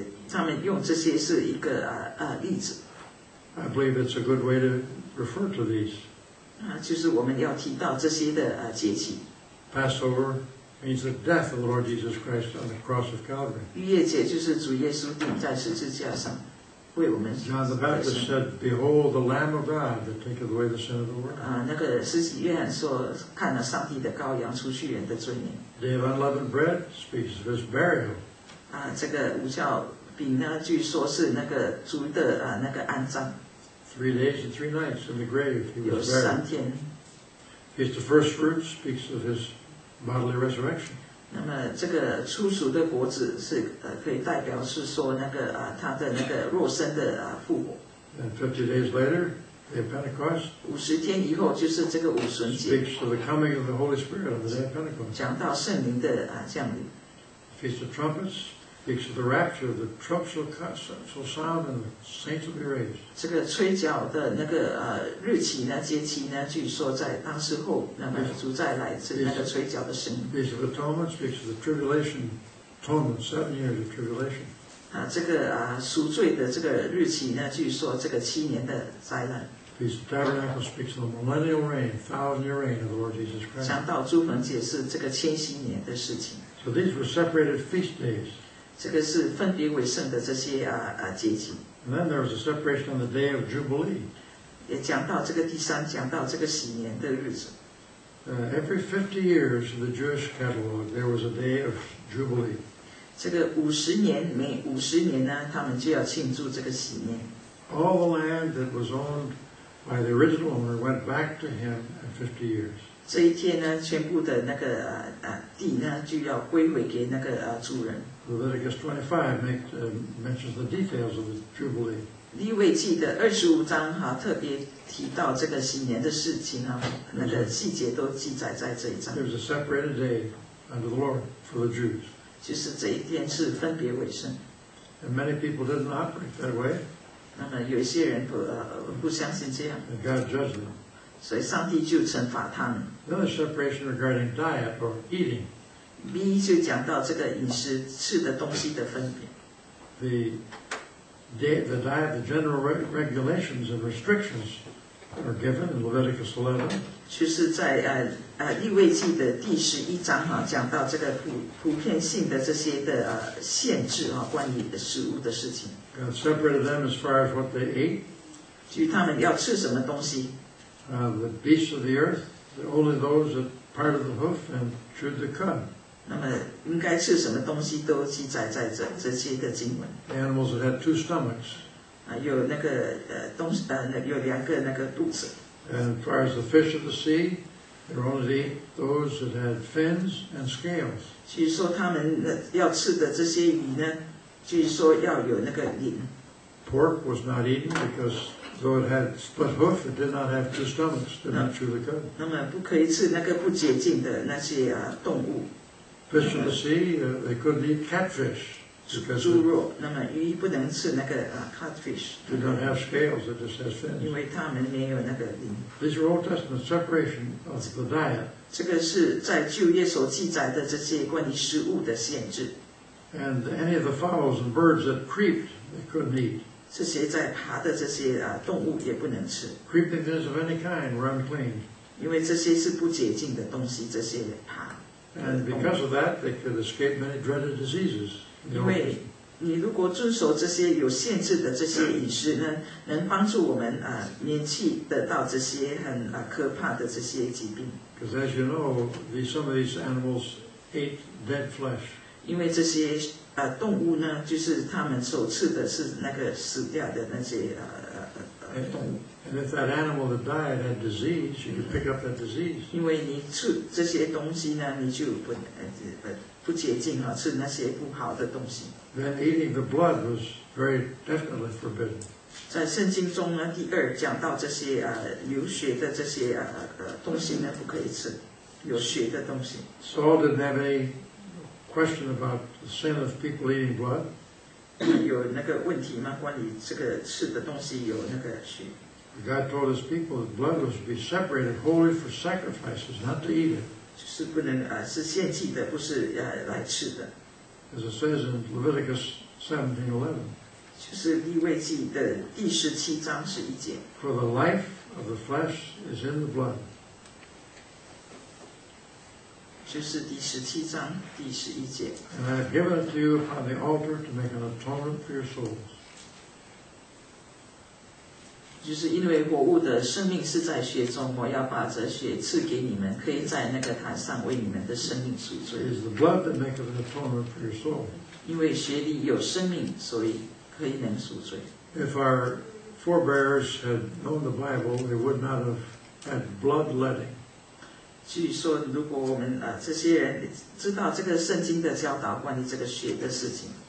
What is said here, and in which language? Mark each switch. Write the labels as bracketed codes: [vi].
[zh] 他们用这些是一个例子。 [en] I believe it's a good way to refer to these. [zh] 就是我们要提到这些的节期。 [en] Passover. Means the death of the Lord Jesus Christ on the cross of Calvary. [zh] 逾越节就是主耶稣钉在十字架上，为我们。 [en] John the Baptist said, "Behold, the Lamb of God that taketh away the sin of the world." [zh] 那个施洗约翰说，看了上帝的羔羊，除去人的罪孽。 [en] Day of Unleavened Bread speaks of His burial. [zh] 这个无酵饼呢，据说是那个主的那个安葬。 [en] Three days and three nights in the grave, He was buried. [zh] 有三天。 [en] He's the first fruit speaks of His. Bodily resurrection. [zh] 那么这个初熟的果子是可以代表是说那个他的那个肉身的复活。 [en] And 50 days later, the Pentecost. [zh] 五十天以后就是这个五旬节。 [en] Speaks of the coming of the Holy Spirit on the day of Pentecost. [zh] 讲到圣灵的降临。 [en] Feast of Trumpets speaks of the rapture. The trump shall sound and the saints will be raised. [zh] 这个吹角的那个日期呢，节期呢，据说在当时候，那么主再来是那个吹角的声音。 [en] Feast of Atonement speaks of the tribulation, atonement, 7 years of tribulation. [zh] 这个赎罪的这个日期呢，据说这个七年的灾难。 [en] Feast of Tabernacles speaks of the millennial reign, 1,000-year reign of the Lord Jesus Christ. [zh] 讲到祝棚节是这个千禧年的事情。 [en] So these were separated feast days. [zh] 这个是分别为圣的这些节期。 [en] And then there was a separation on the day of Jubilee. [zh] 也讲到这个第三，讲到这个禧年的日子。 [en] Every 50 years of the Jewish catalog, there was a day of jubilee. [zh] 这个五十年，每五十年呢，他们就要庆祝这个喜年。 [en] All the land that was owned by the original owner went back to him in 50 years. [zh] 这一天呢，全部的那个地呢，就要归回给那个主人。 [en] Leviticus 25 mentions the details of the jubilee. [zh] 利未记的二十五章哈，特别提到这个喜年的事情哈，那个细节都记载在这一章。 [en] There's a separated day under the Lord for the Jews. [zh] 就是这一天是分别为圣。 [en] And many people didn't operate that way. [zh] 那么有些人不相信这样。 [en] And God judged them. [zh] 所以上帝就惩罚他们。 [en] Another separation regarding diet or eating. [zh] B 就讲到这个饮食吃的东西的分别。 [en] The diet, the general regulations and restrictions are given in Leviticus 11. [zh] 就是在利未记的第十一章哈，讲到这个普遍性的这些的限制哈，关于食物的事情。 [en] God separated them as far as what they ate. [zh] 就他们要吃什么东西。 [en] The beasts of the earth, only those that parted the hoof and chewed the cud. [zh] 那么应该吃什么东西都记载在这些的经文。 [en] The animals that had two stomachs. [zh] 有那个有两个那个肚子。 [en] And as far as the fish of the sea, they were only to eat those that had fins and scales. [zh] 据说他们要吃的这些鱼呢，据说要有那个鳞。 [en] Pork was not eaten because though it had split hoof, it did not have two stomachs, did not chew the cud. [zh] 那么不可以吃那个不洁净的那些动物。 [en] Fish of the sea, they couldn't eat catfish. [zh] 猪肉，那么鱼不能吃那个catfish. [en] They don't have scales, it just has fins. [zh] 因为他们没有那个鳞。 [en] These are Old Testament separation of the diet. [zh] 这个是在旧约所记载的这些关于食物的限制。 [en] And any of the fowls and birds that creeped, they couldn't eat. [zh] 这些在爬的这些动物也不能吃。 [en] Creeping things of any kind were unclean. [zh] 因为这些是不洁净的东西，这些爬。 [en] And because of that, they could escape many dreaded diseases. [zh] 因为你如果遵守这些有限制的这些饮食呢，能帮助我们免去得到这些很可怕的这些疾病。 [en] Because as you know, some of these animals ate dead flesh. [zh] 因为这些动物呢，就是他们所吃的是那个死掉的那些动物。 [en] And if that animal that died had disease, you could pick up that disease. [zh] 因为你吃这些东西呢，你就不洁净啊，吃那些不好的东西。 [en] Then eating the blood was very definitely forbidden. [zh] 在圣经中呢，第二讲到这些流血的这些东西呢，不可以吃有血的东西。 [en] Saul didn't have any question about the sin of people eating blood. [zh] 有那个问题吗？关于这个吃的东西有那个血？ [en] God told his people that blood was to be separated wholly for sacrifices, not to eat it. [zh] 就是不能是献祭的，不是来吃的。 [en] As it says in Leviticus 17:11. [zh] 就是利未记的第十七章十一节。 [en] For the life of the flesh is in the blood. [zh] 就是第十七章第十一节。 [en] And I have given it to you upon the altar to make an atonement for your souls. [zh] 就是因为活物的生命是在血中，我要把这血赐给你们，可以在那个坛上为你们的生命赎罪。 [en] It is the blood that makes an atonement for your soul. [zh] 因为血里有生命，所以可以能赎罪。 [en] If our forebears had known the Bible, they would not have had bloodletting. [zh] 据说，如果我们这些人知道这个圣经的教导关于这个血的事情